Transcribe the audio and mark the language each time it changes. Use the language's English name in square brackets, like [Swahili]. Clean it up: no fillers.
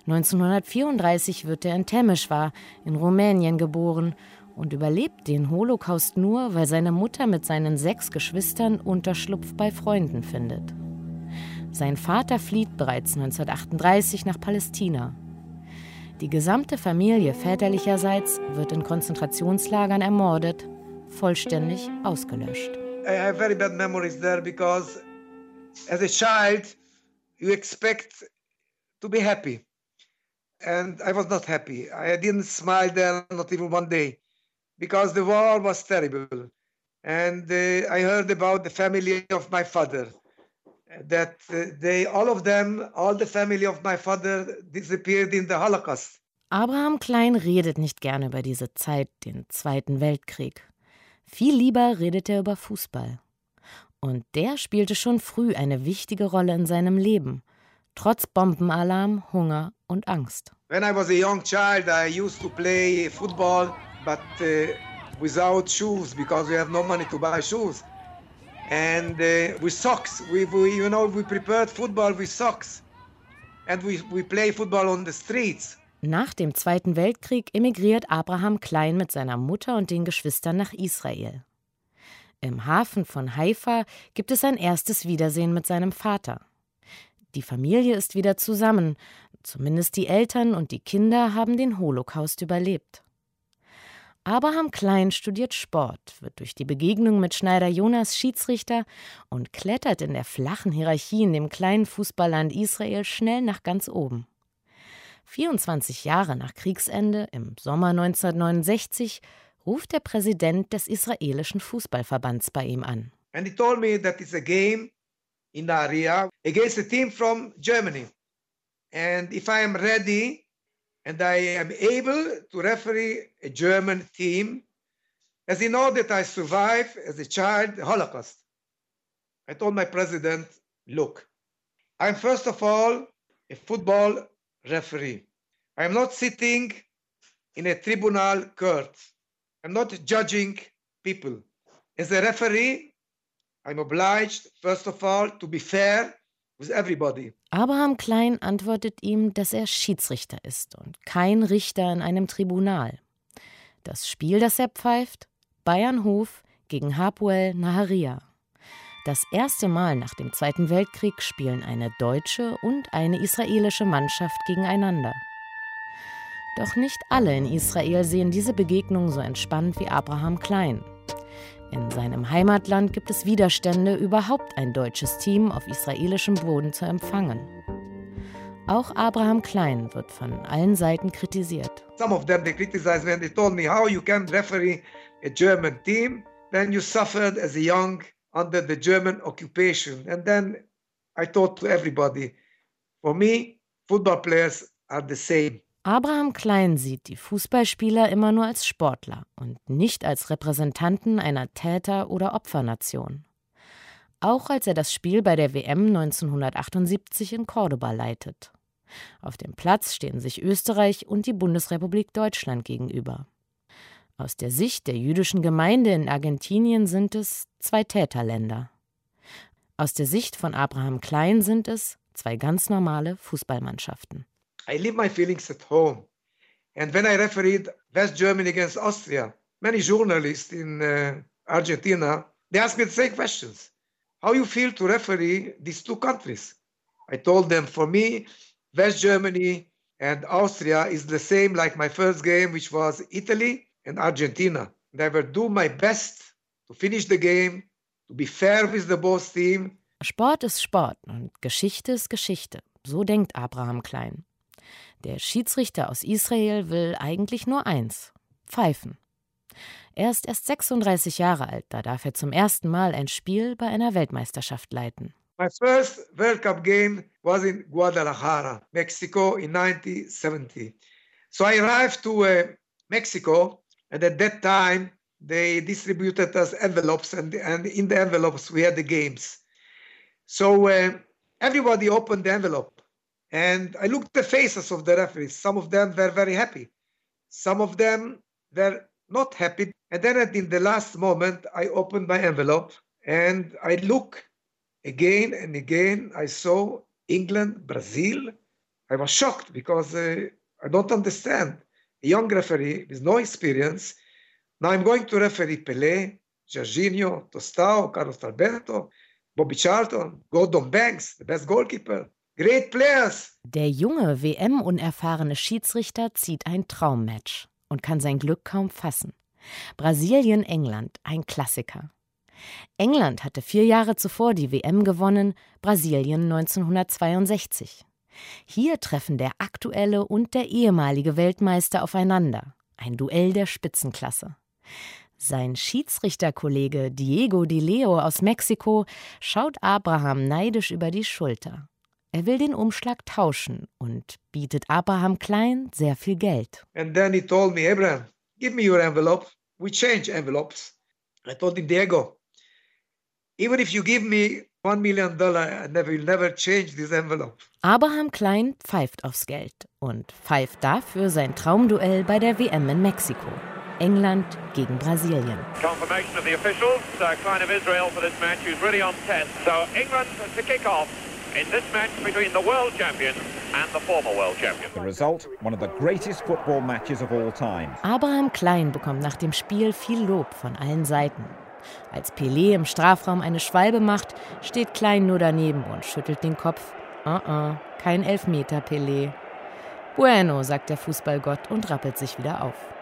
[German] 1934 wird er in Temeswar in Rumänien geboren und überlebt den Holocaust nur, weil seine Mutter mit seinen 6 Geschwistern Unterschlupf bei Freunden findet. Sein Vater flieht bereits 1938 nach Palästina. Die gesamte Familie väterlicherseits wird in Konzentrationslagern ermordet, vollständig ausgelöscht. [English] I have very bad memories there because as a child you expect to be happy. And I was not happy. I didn't smile there, not even one day. Because the war was terrible. And I heard about the family of my father. That they, all of them, all the family of my father disappeared in the Holocaust. [German] Abraham Klein redet nicht gerne über diese Zeit, den Zweiten Weltkrieg. Viel lieber redet er über Fußball. Und der spielte schon früh eine wichtige Rolle in seinem Leben. Trotz Bombenalarm, Hunger und Angst. [English] When I was a young child, I used to play football. But without shoes, because we have no money to buy shoes. And with socks, we prepared football with socks. And we play football on the streets. [German] Nach dem Zweiten Weltkrieg emigriert Abraham Klein mit seiner Mutter und den Geschwistern nach Israel. Im Hafen von Haifa gibt es ein erstes Wiedersehen mit seinem Vater. Die Familie ist wieder zusammen. Zumindest die Eltern und die Kinder haben den Holocaust überlebt. Abraham Klein studiert Sport, wird durch die Begegnung mit Schneider Jonas Schiedsrichter und klettert in der flachen Hierarchie in dem kleinen Fußballland Israel schnell nach ganz oben. 24 Jahre nach Kriegsende, im Sommer 1969, ruft der Präsident des israelischen Fußballverbands bei ihm an. [English] And he told me that it's a game in the area against a team from Germany. And if I am ready and I am able to referee a German team, as in order that I survive as a child the Holocaust. I told my president, look, I'm first of all a football referee. I'm not sitting in a tribunal court. I'm not judging people. As a referee, I'm obliged, first of all, to be fair with everybody. [German] Abraham Klein antwortet ihm, dass er Schiedsrichter ist und kein Richter in einem Tribunal. Das Spiel, das er pfeift, Bayern Hof gegen Hapoel Nahariya. Das erste Mal nach dem Zweiten Weltkrieg spielen eine deutsche und eine israelische Mannschaft gegeneinander. Doch nicht alle in Israel sehen diese Begegnung so entspannt wie Abraham Klein. In seinem Heimatland gibt es Widerstände, überhaupt ein deutsches Team auf israelischem Boden zu empfangen. Auch Abraham Klein wird von allen Seiten kritisiert. [English] Some of them they criticized me and they told me how you can referee a German team when you suffered as a young under the German occupation. And then I thought to everybody, for me, football players are the same. [German] Abraham Klein sieht die Fußballspieler immer nur als Sportler und nicht als Repräsentanten einer Täter- oder Opfernation. Auch als er das Spiel bei der WM 1978 in Córdoba leitet. Auf dem Platz stehen sich Österreich und die Bundesrepublik Deutschland gegenüber. Aus der Sicht der jüdischen Gemeinde in Argentinien sind es zwei Täterländer. Aus der Sicht von Abraham Klein sind es zwei ganz normale Fußballmannschaften. [English] I leave my feelings at home. And when I refereed West Germany against Austria, many journalists in Argentina, they asked me the same questions. How you feel to referee these two countries? I told them, for me, West Germany and Austria is the same like my first game, which was Italy and Argentina. And I will do my best to finish the game, to be fair with the both team. [German] Sport ist Sport und Geschichte ist Geschichte. So denkt Abraham Klein. Der Schiedsrichter aus Israel will eigentlich nur eins: pfeifen. Er ist erst 36 Jahre alt, da darf er zum ersten Mal ein Spiel bei einer Weltmeisterschaft leiten. [English] My first World Cup game was in Guadalajara, Mexico in 1970. So I arrived to Mexico and at that time they distributed us envelopes and in the envelopes we had the games. So everybody opened the envelope. And I looked at the faces of the referees. Some of them were very happy. Some of them were not happy. And then at the last moment, I opened my envelope and I look again and again. I saw England, Brazil. I was shocked because I don't understand. A young referee with no experience. Now I'm going to referee Pelé, Jorginho, Tostão, Carlos Alberto, Bobby Charlton, Gordon Banks, the best goalkeeper. Great players. [German] Der junge, WM-unerfahrene Schiedsrichter zieht ein Traummatch und kann sein Glück kaum fassen. Brasilien-England, ein Klassiker. England hatte 4 Jahre zuvor die WM gewonnen, Brasilien 1962. Hier treffen der aktuelle und der ehemalige Weltmeister aufeinander. Ein Duell der Spitzenklasse. Sein Schiedsrichterkollege Diego de Leo aus Mexiko schaut Abraham neidisch über die Schulter. Er will den Umschlag tauschen und bietet Abraham Klein sehr viel Geld. [English] And then he told me, Abraham, give me your envelope. We change envelopes. I told him, Diego, even if you give me $1 million, I will never change this envelope. [German] Abraham Klein pfeift aufs Geld und pfeift dafür sein Traumduell bei der WM in Mexiko. England gegen Brasilien. [English] Confirmation of the officials. Klein of Israel for this match. He's really on test. So England to kick off. In this match between the world champion and the former world champion. The result, one of the greatest football matches of all time. [German] Abraham Klein bekommt nach dem Spiel viel Lob von allen Seiten. Als Pelé im Strafraum eine Schwalbe macht, steht Klein nur daneben und schüttelt den Kopf. Kein Elfmeter, Pelé. Bueno, sagt der Fußballgott und rappelt sich wieder auf.